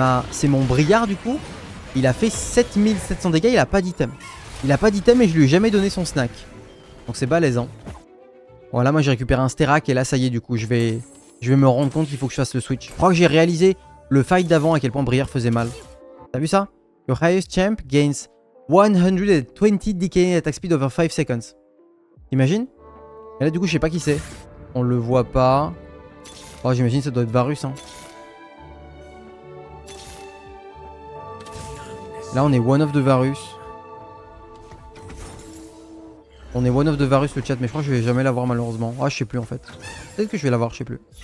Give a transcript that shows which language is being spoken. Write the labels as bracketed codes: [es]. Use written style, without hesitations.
[fr] C'est mon Brillard, du coup. Il a fait 7700 dégâts, il a pas d'item. Il a pas d'item et je lui ai jamais donné son snack. Donc c'est balaisant. Voilà, moi j'ai récupéré un Sterak et là ça y est, du coup je vais me rendre compte qu'il faut que je fasse le switch. Je crois que j'ai réalisé le fight d'avant à quel point Brière faisait mal. T'as vu ça? [en] Your highest champ gains 120 DK attack speed over 5 seconds. [fr] T'imagines? Et là du coup je sais pas qui c'est. On le voit pas. Oh, j'imagine que ça doit être Varus hein. Là, on est [en] one of the [fr] Varus. On est [en] one of the [fr] Varus, le chat. Mais je crois que je vais jamais l'avoir, malheureusement. Ah, je sais plus, en fait. Peut-être que je vais l'avoir, je sais plus.